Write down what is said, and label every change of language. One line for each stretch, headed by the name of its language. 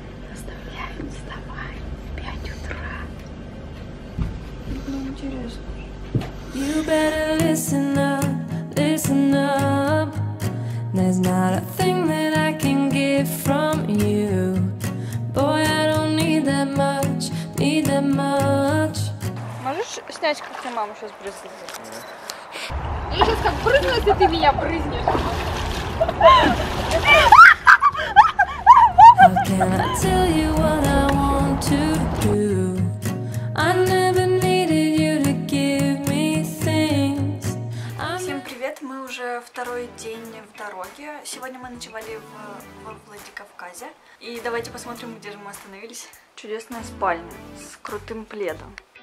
Russian: Заставляют вставать в 5 утра. Ну, интересно.
English: You better listen up, listen up. There's not a thing that I can give from you. Boy, I don't need that much, need that much.
Russian: Можешь снять, как тебе мама сейчас брызнет?
English: Yeah.
Russian: Ну, сейчас как брызнет, и ты меня брызнешь.
English: How can I tell you what I want to do? I never needed you to give me things.
Russian: Всем привет! Мы уже второй день в дороге. Сегодня мы ночевали во Владикавказе. И давайте посмотрим, где же мы остановились. Чудесная спальня с крутым пледом.